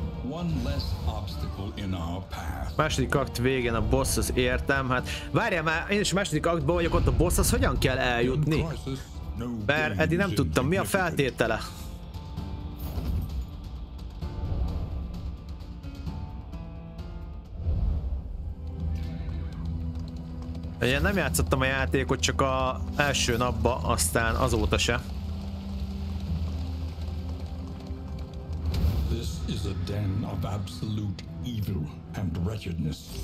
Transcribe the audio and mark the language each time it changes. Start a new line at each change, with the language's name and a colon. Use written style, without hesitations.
English: One less obstacle in our path.
Hungarian: Második akt végén a boss az értem, hát várjál már, én is második aktban vagyok, ott a boss az hogyan kell eljutni? Bár eddig nem tudtam, mi a feltétele? Egyébként nem játszottam a játékot csak a első napba, aztán azóta se.
English: This is a den of absolute evil and wretchedness.